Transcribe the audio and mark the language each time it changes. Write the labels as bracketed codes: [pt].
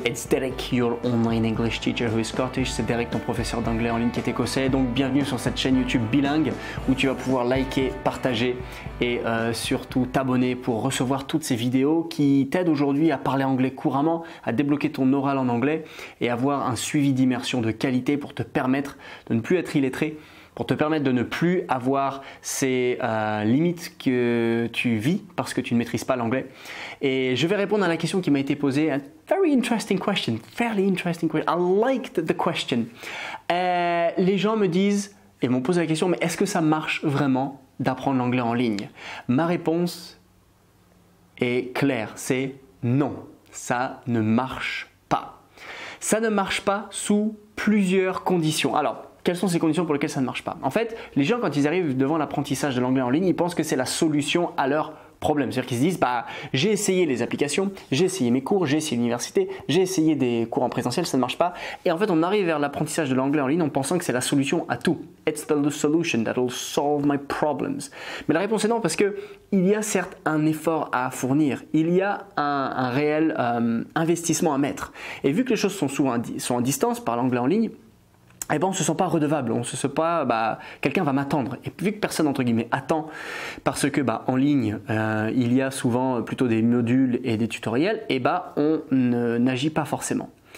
[en] It's Derek, your online English teacher who is Scottish. [fr] C'est Derek, ton professeur d'anglais en ligne qui est écossais. Donc, bienvenue sur cette chaîne YouTube bilingue où tu vas pouvoir liker, partager et surtout t'abonner pour recevoir toutes ces vidéos qui t'aident aujourd'hui à parler anglais couramment, à débloquer ton oral en anglais et avoir un suivi d'immersion de qualité pour te permettre de ne plus être illettré, pour te permettre de ne plus avoir ces limites que tu vis parce que tu ne maîtrises pas l'anglais. Et je vais répondre à la question qui m'a été posée. [en] A very interesting question. Fairly interesting question. I liked the question. [fr] Les gens me disent, et m'ont posé la question, mais est-ce que ça marche vraiment d'apprendre l'anglais en ligne? Ma réponse est claire, c'est non, ça ne marche pas. Ça ne marche pas sous plusieurs conditions. Alors, quelles sont ces conditions pour lesquelles ça ne marche pas? En fait, les gens, quand ils arrivent devant l'apprentissage de l'anglais en ligne, ils pensent que c'est la solution à leur problème. C'est-à-dire qu'ils se disent, bah, j'ai essayé les applications, j'ai essayé mes cours, j'ai essayé l'université, j'ai essayé des cours en présentiel, ça ne marche pas. Et en fait, on arrive vers l'apprentissage de l'anglais en ligne en pensant que c'est la solution à tout. [en] It's the solution that'll solve my problems. [fr] Mais la réponse est non, parce qu'il y a certes un effort à fournir, il y a un réel investissement à mettre. Et vu que les choses sont souvent sont en distance par l'anglais en ligne, eh ben, on ne se sent pas redevable, on ne se sent pas, bah, quelqu'un va m'attendre. Et vu que personne, entre guillemets, attend, parce que, bah, en ligne, il y a souvent plutôt des modules et des tutoriels, eh ben, on n'agit pas forcément.